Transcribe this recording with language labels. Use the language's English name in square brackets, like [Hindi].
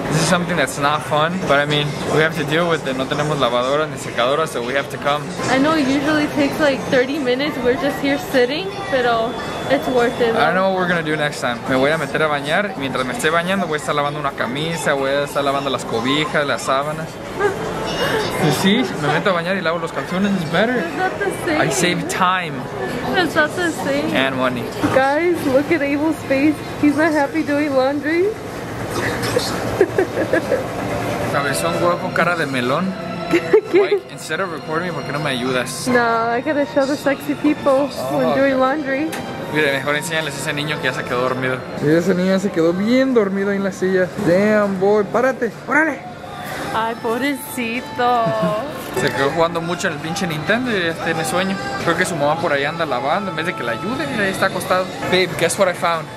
[English] This is something that's not fun, but I mean, we have to deal with it. [Spanish] No tenemos lavadora ni secadora, [English] so we have to come. I know it usually takes like 30 minutes. We're just here sitting, pero it's worth it. I don't know what we're gonna do next time. [Spanish] Me voy a meter a bañar. Mientras me esté bañando, voy a estar lavando una camisa, voy a estar lavando las cobijas, las sábanas. [English] You see, [Spanish] me meto a bañar y lavo los calzones, [English] it's better. Is that the same? I save time. Is that the same? And money. Guys, look at Abel's face. He's not happy doing laundry. [Spanish] Cabezón guapo, cara de melón. Mike, [English] instead of recording me, [Spanish] ¿por qué no me ayudas? [English] No, I gotta show the sexy people when doing laundry. [Spanish] Mire, mejor enséñales a ese niño que ya se quedó dormido. Y ese niño se quedó bien dormido ahí en la silla. [English] Damn, boy, [Spanish] párate, órale. Ay, pobrecito. Se quedó jugando mucho en el pinche Nintendo y ya tiene sueño. Creo que su mamá por ahí anda lavando en vez de que la ayude. Ahí está acostado. [English] Babe, guess what I found?